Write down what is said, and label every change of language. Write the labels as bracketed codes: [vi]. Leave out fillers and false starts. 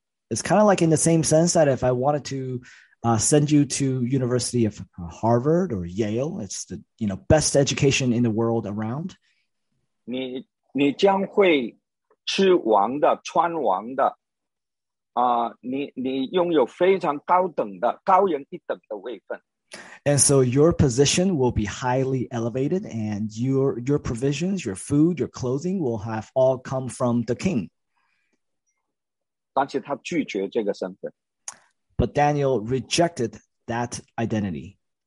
[en] It's kind of like in the same sense that if I wanted to send you to University of Harvard or Yale, it's the best education in the world around. [zh] 你将会吃王的、穿王的，你拥有非常高等的、高人一等的位分。 [en] And so your position will be highly elevated, and your provisions, your food, your clothing will have all come from the king. But Daniel rejected that identity.